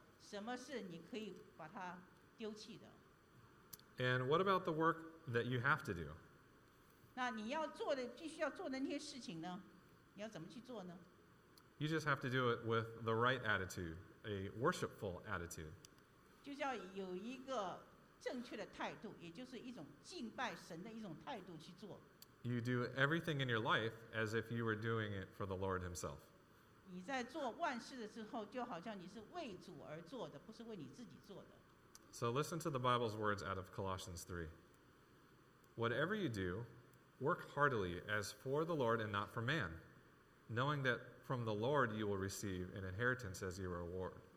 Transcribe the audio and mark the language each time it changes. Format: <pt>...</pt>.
<zh>所以这个分别就是说，你可以做这些事情，但是分别就是说，当你与耶稣基督有那亲密的关系以后，神的智慧去告诉你什么是重要，什么是你可以把它丢弃的。</zh> <en>And what about the work that you have to do?</en> <zh>那你要做的，必须要做的那些事情呢？你要怎么去做呢？</zh> <en>You just have to do it with the right attitude, a worshipful attitude.</en> <zh>就是要有一个正确的态度，也就是一种敬拜神的一种态度去做。</zh> <en>You do everything in your life as if you were doing it for the Lord Himself.</en> <zh>你在做万事的时候，就好像你是为主而做的，不是为你自己做的。</zh> <en>So listen to the Bible's words out of Colossians 3. Whatever you do, work heartily as for the Lord and not for man, knowing that from the Lord you will receive an inheritance as your reward.</en>